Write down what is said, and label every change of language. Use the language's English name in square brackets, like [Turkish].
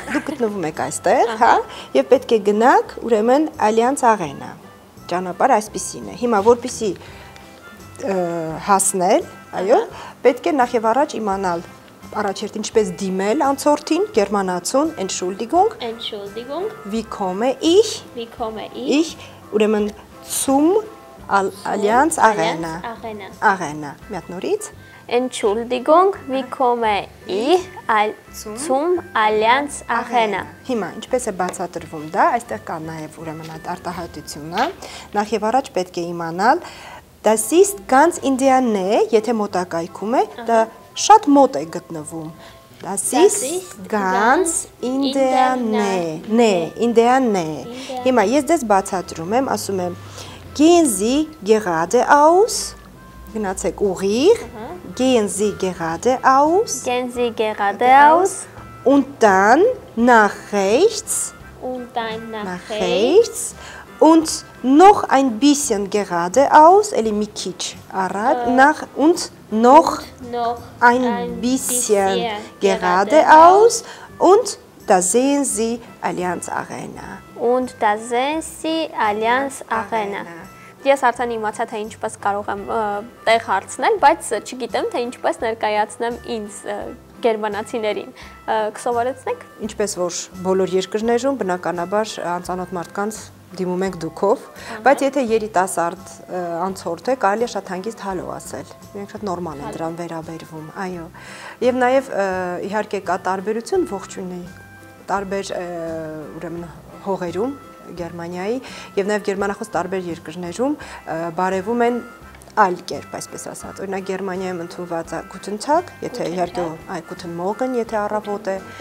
[Armenian] Դուք գտնվում եք այստեղ, հա, եւ պետք է գնաք, ուրեմն Allianz Arena։ Ճանապարհ այսպեսին է։ Հիմա որպեսի հասնել, այո, պետք է նախ եւ առաջ իմանալ առաջերտ ինչպես դիմել անցորդին, գերմանացուն, Entschuldigung։ [German] Entschuldigung։ Wie komme ich? Wie komme ich? Ich, ուրեմն zum Allianz Arena. Allianz Arena. [Armenian] Arena. Մի հատ նորից։ [German] Entschuldigung, wie komme ich zum Allianz Arena? [Armenian] Հիմա ինչպես է բացատրվում դա, այստեղ կա նաև ուրեմն այդ արտահայտությունը։ Նախ եւ առաջ պետք է իմանալ, [German] das ist ganz in der Nähe, [Armenian] եթե մոտակայքում է, դա շատ մոտ է գտնվում։ [German] Das ist ganz in der Nähe. Nähe, in der Nähe. [Armenian] Հիմա ես դες բացատրում եմ, ասում եմ [German] Gehen Sie geradeaus. [Armenian] Գնացեք ուղիղ. [German] Gehen Sie geradeaus. Gehen Sie geradeaus. Und dann nach rechts. Und dann nach rechts. Und noch ein bisschen geradeaus. [Armenian] Eli mi kich arad. [German] Nach und noch ein bisschen geradeaus. Und da sehen Sie Allianz Arena. Und da sehen Sie Allianz Arena. [Armenian] Ես արդեն իմացա, թե ինչպես կարող եմ տեղ հարցնել, բայց չգիտեմ, թե ինչպես ներկայացնեմ ինձ գերմանացիներին։ Կսովորեցնեք։ Ինչպես որ բոլոր երկրներում բնականաբար անծանոթ մարդկանց դիմում ենք դուքով, բայց եթե երիտասարդ անցորդ է, կարելի է շատ հանգիստ հալո ասել։ Իրենք շատ նորմալ են դրան վերաբերվում, այո։ Եվ նաև իհարկե կա տարբերություն ողջույնի տարբեր ուրեմն հողերում, Գերմանիայի եւ նաեւ գերմանախոս տարբեր երկրներում բարևում են այլ կերպ, այսպես ասած։ Օրինակ Գերմանիայում ընդունված է [German] Guten Tag, [Armenian] եթե հերթով, այ [German] Guten Morgen, [Armenian] եթե առավոտ է,